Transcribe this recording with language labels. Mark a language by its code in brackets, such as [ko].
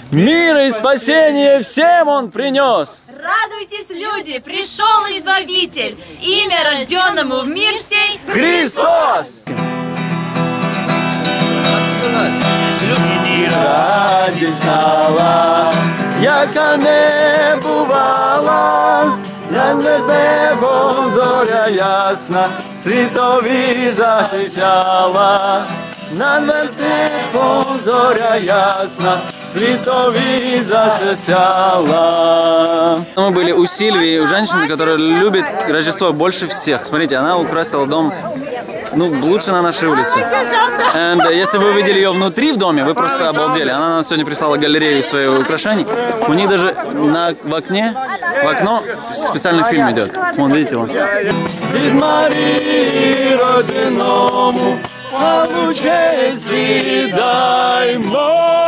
[ru] Мир и спасение всем Он принес! Радуйтесь, люди! Пришел Избавитель! Имя рожденному в мир сей Христос! [uk] Ради стала, яка не бувала, на небом зоря ясна, світові засяла. Над небом зоря ясна, світові засяла. [ru] Мы были у Сильвии, у женщины, которая любит Рождество больше всех. Смотрите, она украсила дом ну, лучше на нашей улице. And, если вы видели ее внутри в доме, вы просто обалдели. Она нам сегодня прислала галерею своих украшений. У них даже на, в окне, в окно специальный фильм идет. Вон, видите, вон. [uk] Дід Марії родинному славу честь віддаймо.